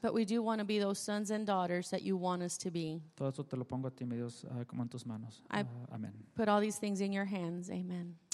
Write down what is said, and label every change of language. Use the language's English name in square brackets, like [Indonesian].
[English] But we do want to be those sons and daughters that you want us to be. [Spanish] Todo esto te lo pongo a ti, mi Dios, como en tus manos. Amén. [English] Put all these things in your hands. Amen.